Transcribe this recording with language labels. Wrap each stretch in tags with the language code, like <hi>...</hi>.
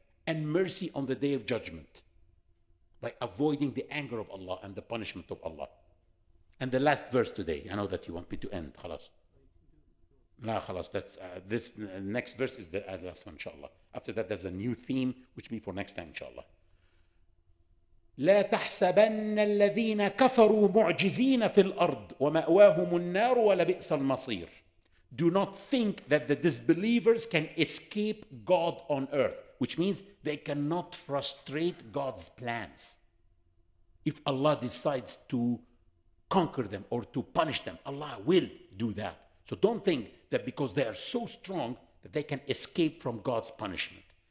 <en>And mercy on the day of judgment, by avoiding the anger of Allah and the punishment of Allah. And the last verse today, I know that you want me to end, خلاص. No, خلاص, next verse is the last one, inshallah. After that, there's a new theme, which will be for next time, inshallah.</en> <ar>لا تحسبن الذين كفروا معجزين في الأرض ومأواهم النار ولبئس المصير.</ar> <en>Do not think that the disbelievers can escape God on earth, which means they cannot frustrate God's plans. If Allah decides to conquer them or to punish them, Allah will do that. So don't think that because they are so strong that they can escape from God's punishment.</en>